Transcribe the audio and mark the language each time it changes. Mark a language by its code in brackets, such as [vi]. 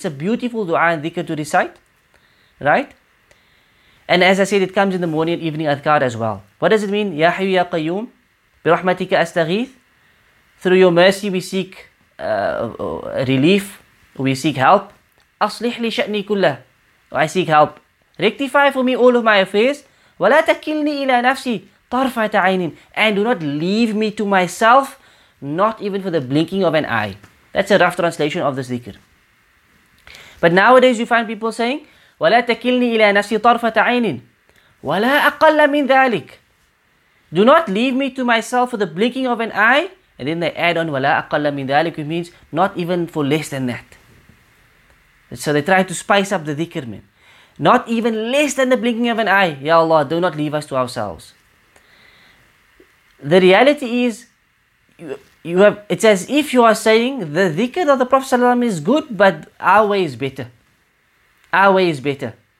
[en] It's a beautiful dua and dhikr to recite, right? And as I said, it comes in the morning and evening adhkar as well. What does it mean? [ar] Ya hayyu ya qayyum bi rahmatika astaghith. [en] Through your mercy we seek relief, we seek help. [ar] أصلح لي شأني كله. [en] I seek help. Rectify for me all of my affairs. [ar] ولا تكلني إلى نفسي طرفة عين. [en] And do not leave me to myself, not even for the blinking of an eye. That's a rough translation of this dhikr. But nowadays you find people saying, [ar] ولا تكلني إلى نفسي طرفة عين. ولا أقل من ذلك. [en] Do not leave me to myself for the blinking of an eye. And then they add on, [ar] وَلَا أَقَلَّ مِنْ ذَلِكُ, [en] which means not even for less than that. So they try to spice up the dhikr, man. Not even less than the blinking of an eye. Ya Allah, do not leave us to ourselves. The reality is, it's as if you are saying, the dhikr of the Prophet ﷺ is good, but our way is better. Our way is better.